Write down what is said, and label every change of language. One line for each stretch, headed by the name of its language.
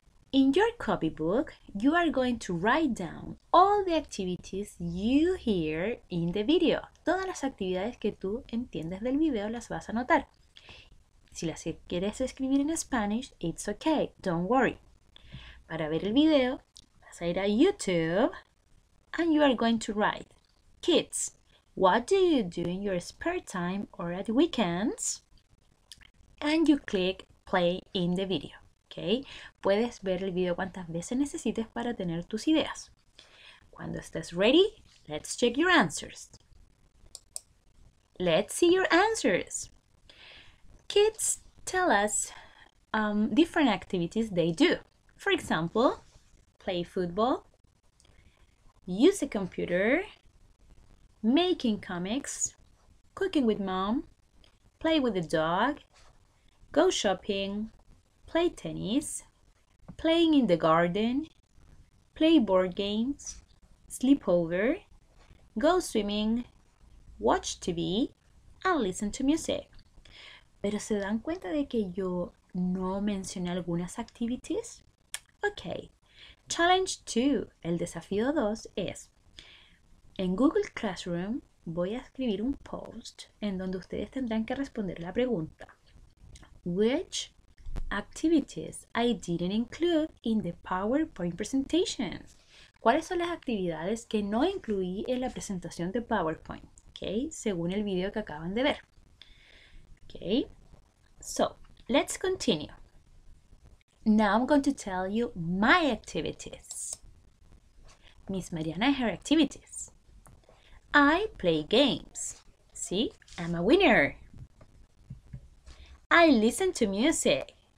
English: In your copybook, you are going to write down all the activities you hear in the video.
Spanish: Todas las actividades que tú entiendes del video las vas a anotar. Si las quieres escribir en Spanish,
English: it's okay, don't worry.
Spanish: Para ver el video, vas a ir a
English: YouTube and you are going to write, kids, what do you do in your spare time or at weekends? And you click play in the video, okay?
Spanish: Puedes ver el video cuantas veces necesites para tener tus ideas. Cuando estés
English: ready, let's check your answers. Let's see your answers. Kids tell us different activities they do. For example, play football, use a computer, making comics, cooking with mom, play with the dog, go shopping, play tennis, playing in the garden, play board games, sleep over, go swimming, watch TV, and listen to music.
Spanish: ¿Pero se dan cuenta de que yo no mencioné algunas activities? Ok,
English: challenge 2,
Spanish: el desafío 2 es, en Google Classroom voy a escribir un post en donde ustedes tendrán que responder la pregunta.
English: Which activities I didn't include in the PowerPoint presentation?
Spanish: ¿Cuáles son las actividades que no incluí en la presentación de PowerPoint? Ok, según el video que acaban de ver.
English: Ok. So, let's continue. Now I'm going to tell you my activities. Miss Mariana and her activities. I play games. See, I'm a winner. I listen to music.